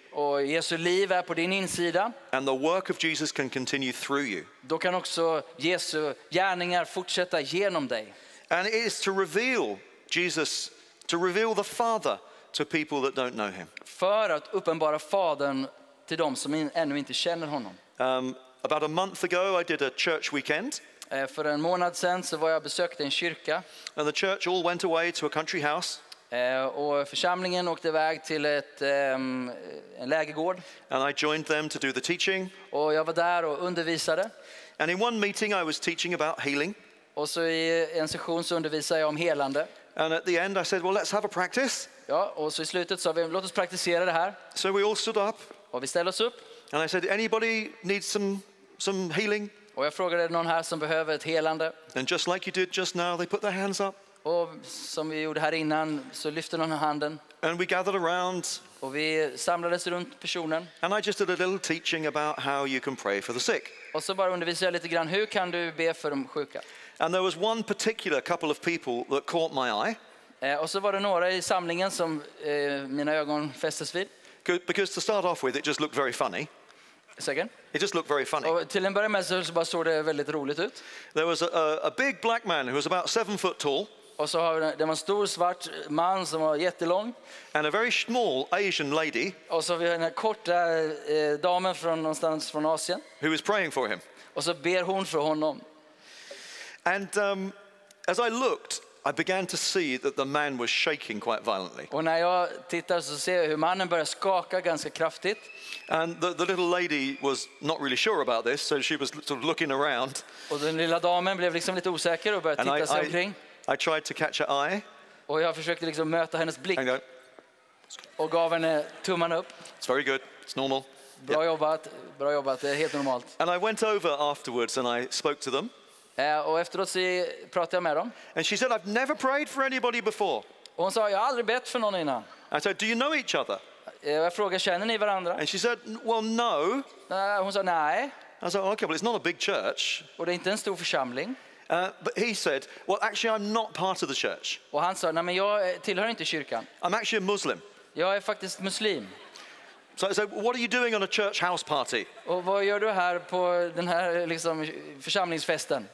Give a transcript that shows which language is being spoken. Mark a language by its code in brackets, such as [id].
[sv] Och Jesu liv är på din insida. [en] And the work of Jesus can continue through you. [sv] Då kan också Jesu gärningar fortsätta genom dig. [en] And it is to reveal Jesus, to reveal the Father to people that don't know him. [sv] För att uppenbara Fadern till dem som ännu inte känner honom. [en] About a month ago I did a church weekend. [sv] För en månad sen så var jag besökte en kyrka. [en] And the church all went away to a country house. [sv] Och församlingen åkte iväg till en lägergård. [en] And I joined them to do the teaching. [sv] Och jag var där och undervisade. [en] And in one meeting I was teaching about healing. [sv] Och så i en session så undervisade jag om helande. [en] And at the end I said, well, let's have a practice. [sv] Ja, och så i slutet sa vi, låt oss praktisera det här. [en] So we all stood up. [sv] Och vi ställde oss upp. [en] And I said, anybody needs some healing? [sv] Och jag frågade, är det någon här som behöver ett helande? [en] And just like you did just now, they put their hands up. [sv] Och som vi gjorde här innan så lyfte någon handen. [en] And we gathered around. [sv] Och vi samlades runt personen. [en] And I just did a little teaching about how you can pray for the sick. [sv] Och så bara undervisade jag lite grann, hur kan du be för de sjuka? [en] And there was one particular couple of people that caught my eye. [sv] Och så var det några i samlingen som mina ögon fästes vid. [en] Because to start off with, it just looked very funny. It just looked very funny. [sv] Och till en början så bara såg det väldigt roligt ut. [en] There was a big black man who was about 7 foot tall. [sv] Och så har det var en stor svart man som var jättelång. [en] And a very small Asian lady. [sv] Och så vi har en kort damen från någonstans från Asien. [en] Who was praying for him. [sv] Och så ber hon för honom. [en] And as I looked, I began to see that the man was shaking quite violently. [sv] Och när jag tittar så ser jag hur mannen börjar skaka ganska kraftigt. [en] And the little lady was not really sure about this, so she was sort of looking around. [sv] Och den lilla damen blev liksom lite osäker och började titta sig omkring. [en] I tried to catch her eye. [sv] Och jag försökte liksom möta hennes blick. [en] And go. [sv] Och gav henne tummen upp. [en] It's very good. It's normal. [sv] Bra jobbat. Bra jobbat. Det är helt normalt. [en] And I went over afterwards and I spoke to them. [sv] Och efteråt så pratade jag med dem. [en] And she said, I've never prayed for anybody before. [sv] Och hon sa, jag har aldrig bett för någon innan. [en] I said, do you know each other? [sv] Jag frågade, känner ni varandra? [en] And she said, well, no. [sv] Hon sa, nej. [en] I said, okay, well, it's not a big church. [sv] Och det är inte en stor församling. [en] But he said, well, actually, I'm not part of the church. [sv] Och han sa, nej, men jag tillhör inte kyrkan. [en] I'm actually a Muslim. [sv] Jag är faktiskt muslim. [en] So I said, what are you doing on a church house party? [sv] Och vad gör du här på den här liksom församlingsfesten?